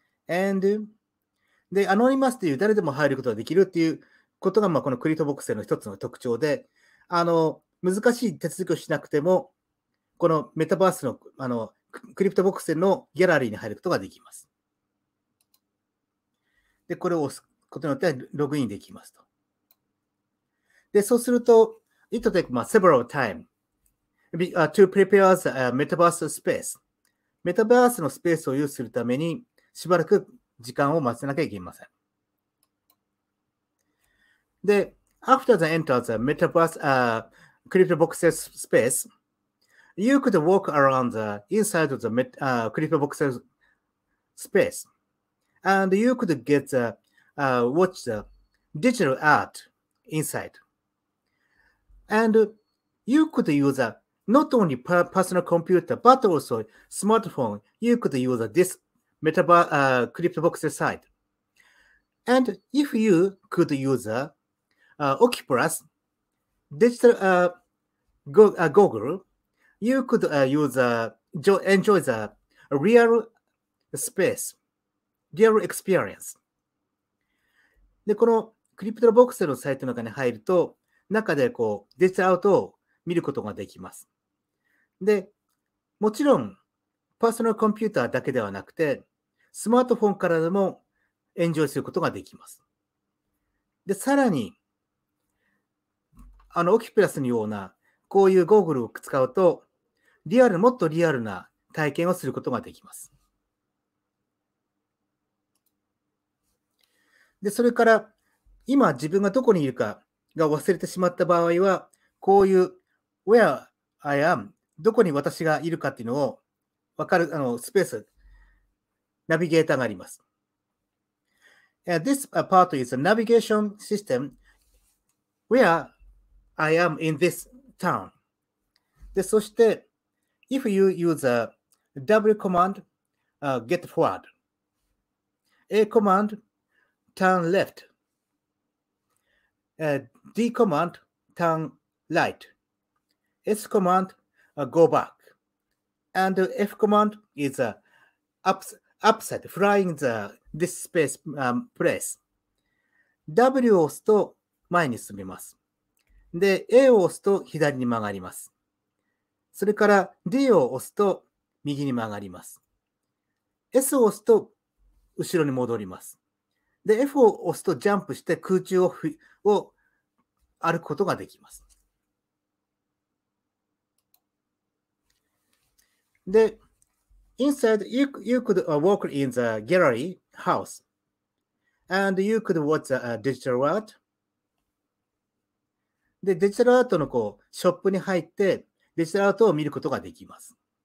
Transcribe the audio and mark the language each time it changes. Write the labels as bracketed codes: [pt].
[en] And the anonymous [ja] という誰でも入ることができるっていうことが、まあ、このクリプトボクセルの一つの特徴で、難しい手続きをしなくても、このメタバースのクリプトボックスのギャラリーに入ることができます。で、これを押すことによってログインできますと。で、そうすると、 [en] it will take several time to prepare the metaverse space. [ja] Metaverse のスペースを use するためにしばらく時間を待たなきゃいけません。 [en] で、after they enter the metaverse crypto boxes space, you could walk around the inside of the crypto boxes space, and you could get the watch the digital art inside, and you could use a not only personal computer but also smartphone. You could use this metaverse crypto boxes site, and if you could use Oculus digital goggle, you could enjoy the real space, real experience. [ja] で、このクリプトボックスのサイトの中に入ると、中でこうデジタルアートを見ることができます。で、もちろんパーソナルコンピューターだけではなくて、スマートフォンからでもエンジョイすることができます。で、さらに、オキプラスのようなこういうゴーグルを使うと、リアル、もっとリアルな体験をすることができます。で、それから、今自分がどこにいるかが忘れてしまった場合は、こういう、 [en] where I am、 [ja] どこに私がいるかっていうのを分かる、スペース、ナビゲーターがあります。 [en] This part is a navigation system, where I am in this town. [ja] で、そして、 [en] if you use a double command, get forward. A command,Turn left. D command, turn right. S command, go back. And F command is upside, flying this space place. [ja] W を押すと前に進みます。で、A を押すと左に曲がります。それから D を押すと右に曲がります。 S を押すと後ろに戻ります。で、F を押すとジャンプして空中 を歩くことができます。で、 [en] inside, you could walk in the gallery house, and you could watch the digital art. [ja] で、デジタルアートのこうショップに入って、デジタルアートを見ることができます。